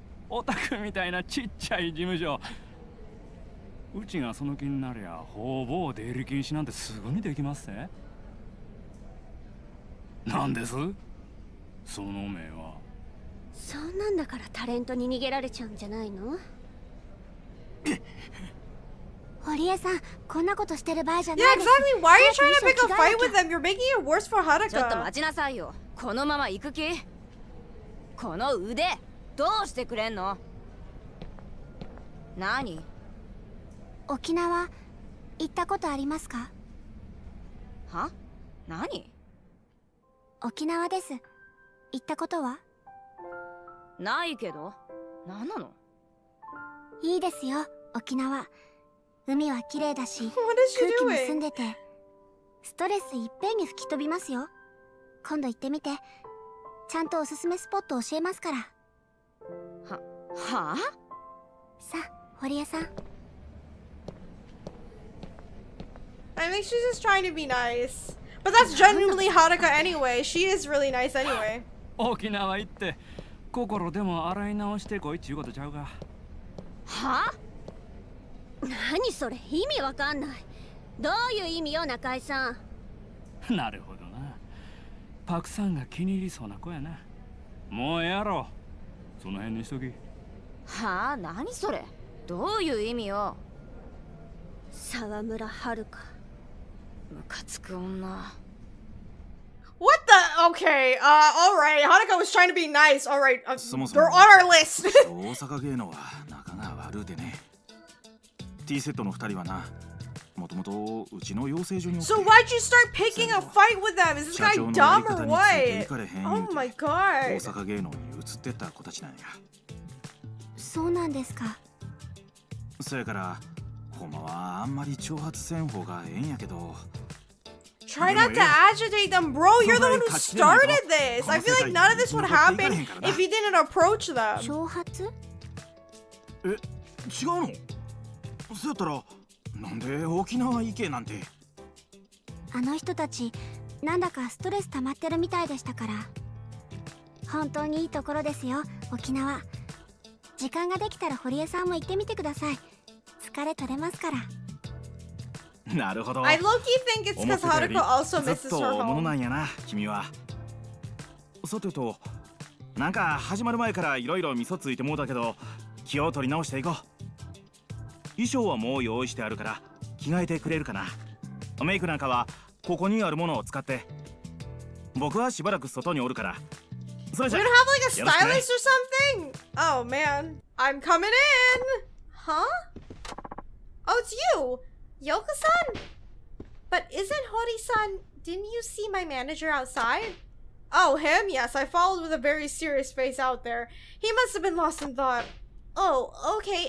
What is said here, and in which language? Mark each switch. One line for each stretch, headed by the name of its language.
Japanese: オタクみたいなちっちゃい事務所、うちがその気になりゃ、ほぼ出入り禁止なんてすぐにできますぜ。なんですその目は。そんなんだからタレントに逃げられちゃうんじゃないの。堀江さん、こんなことしてる場合じゃないです。
English: Yeah, exactly. Why are you trying to pick a fight with them? You're making it worse for Haruka.
Japanese: ちょっと待ちなさいよ。このまま行く気？この腕どうしてくれんの。何？沖縄行ったことありますか？は？何？沖縄です。行ったことは？ないけど、何なの？いいですよ、沖縄。海は綺麗だし、空気も澄んでて、ストレスいっぺんに吹き飛びますよ。今度行ってみて、ちゃんとおすすめスポット教えますから。はあ？さあ、堀江さん。
English: I think she's just trying to be nice. But that's genuinely Haruka anyway. She is really nice anyway.
Japanese: 沖縄行って。心でも洗い直してこいっちゅうことちゃうか。はあ？何それ、意味わかんない。どういう意味よ、中井さん。なるほどな、パクさんが気に入りそうな子やな。もうやろう、その辺にしとき。はあ、何それ、どういう意味よ。沢村遥、ムカつく女。
English: What the? Okay, alright. Haruka was trying to be nice. Alright, they're on our list.
Japanese: 大阪芸能は仲が悪うてね。T セットの二人はな、もともとうちの養成所に。
English: So why'd you start picking a fight with them? Is this guy dumb or what? Oh my god.
Japanese: 大阪芸能に移ってった子たちなんや。そうなんですか。そやから、ほんまはあんまり挑発せん方がええんやけど。
English: Try not to agitate them, bro. You're the one who started this. I feel like none of this would happen if you didn't approach them.
Japanese: 挑発？え、違うの？そうやったら、なんで沖縄行けなんて。あの人たち、なんだかストレス溜まってるみたいでしたから。本当にいいところですよ、沖縄。時間ができたら堀江さんも行ってみてください。疲れ取れますから。なるほど。
English: I low-key think it's because Haruko also misses her home.
Japanese: ずっと大物なんやな、君は。さてと、なんか始まる前からいろいろ味噌ついてもうたけど、気を取り直していこう。衣装はもう用意してあるから、着替えてくれるかな。メイクなんかはここにあるものを使って。僕はしばらく外におるから。
English: We're gonna have like a stylist or something? Oh man. I'm coming in! Huh? Oh, it's you! Yoko-san? But isn't Hori-san... Didn't you see my manager outside? Oh, him? Yes, I followed with a very serious face out there. He must have been lost in thought. Oh, okay.